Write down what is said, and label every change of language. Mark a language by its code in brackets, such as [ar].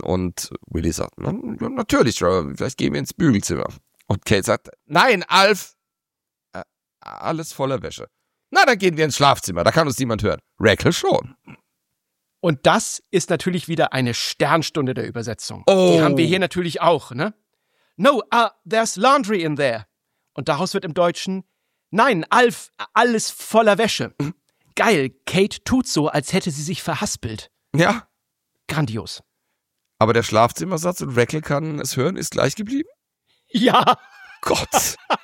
[de] Und Willy sagt, natürlich, Trevor, vielleicht gehen wir ins Bügelzimmer. Und Kate sagt, nein, Alf, alles voller Wäsche. Na, dann gehen wir ins Schlafzimmer, da kann uns niemand hören. Rachel schon. Und das ist natürlich wieder eine Sternstunde der Übersetzung. Oh. Die haben wir hier natürlich auch, ne? [en] No, there's laundry in there. [de] Und daraus wird im Deutschen, nein, Alf, alles voller Wäsche. Geil, Kate tut so, als hätte sie sich verhaspelt. Ja. Grandios. Aber der Schlafzimmersatz und Rachel kann es hören, ist gleich geblieben? Ja. Gott.